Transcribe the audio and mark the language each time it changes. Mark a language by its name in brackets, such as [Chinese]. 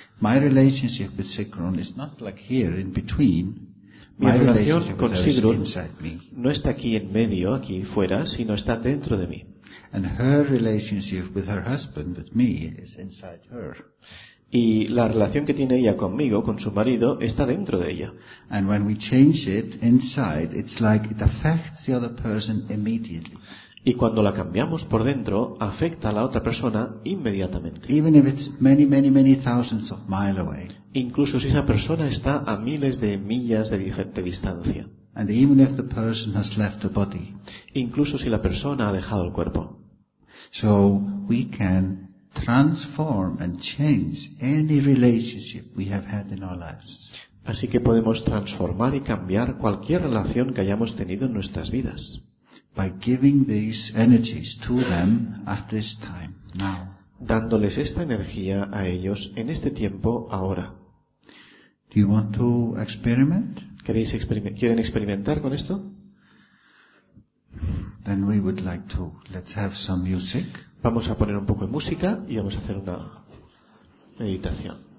[English] My relationship with Sigrun is not like here in between. [Spanish] Mi relación con Sigrun no está aquí en medio, aquí fuera, sino está dentro de mí. [English] And her relationship with her husband, with me, is inside her. [Spanish] Y la relación que tiene ella conmigo, con su marido, está dentro de ella. [English] And when we change it inside, it's like it affects the other person immediately. [Spanish] Y cuando la cambiamos por dentro, afecta a la otra persona inmediatamente. [English] Even if it's many, many, many thousands of miles away. [Spanish] Incluso si esa persona está a miles de millas de diferente distancia. [English] And even if the person has left the body. [Spanish] Incluso si la persona ha dejado el cuerpo. [English] So we can transform and change any relationship we have had in our lives. [Spanish] Así que podemos transformar y cambiar cualquier relación que hayamos tenido en nuestras vidas. [English] By giving these energies to them at this time, now. [Spanish] Dándoles esta energía a ellos en este tiempo, ahora. [English] Do you want to experiment? [Spanish] ¿Quieren experimentar con esto? [English] Then we would like to. Let's have some music. [Spanish] Vamos a poner un poco de música y vamos a hacer una meditación.